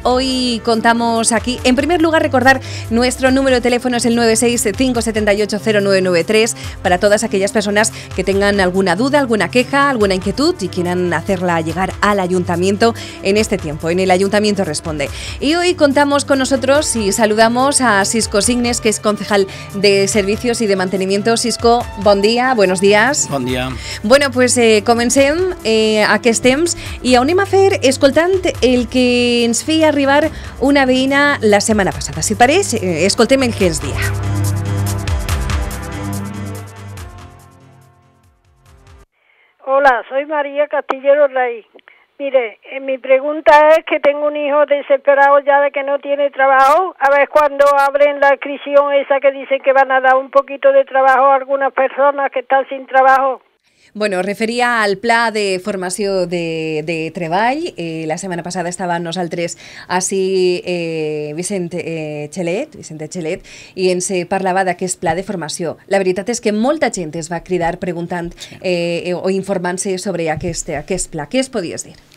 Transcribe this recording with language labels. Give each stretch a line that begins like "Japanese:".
Spanish: Hoy contamos aquí, en primer lugar, recordar nuestro número de teléfono es el 965780993 para todas aquellas personas que tengan alguna duda, alguna queja, alguna inquietud y quieran hacerla llegar al Ayuntamiento en este tiempo, en el Ayuntamiento responde. Y hoy contamos con nosotros y saludamos a Sisko Signes, que es concejal de Servicios y de Mantenimiento. Sisko, buen día, buenos días.
Catalan: Bon dia. Bueno, pues comencem aquest temps i anem a fer escoltant el que ens feia arribar una veïna la setmana passada. Si pareix, escoltem el que ens dia.
Spanish: Hola, soy María Castillero Rey. Mire, mi pregunta es que tengo un hijo desesperado ya de que no tiene trabajo. A ver cuándo abren la inscripción esa que dicen que van a dar un poquito de trabajo a algunas personas que están sin trabajo.
Catalan: Bueno, refería al pla de formació de treball. La setmana passada estava amb nosaltres així Vicente Chelet, i ens parlava d'aquest pla de formació. La veritat és que molta gent es va cridar preguntant o informant-se sobre aquest pla. Què es podies dir?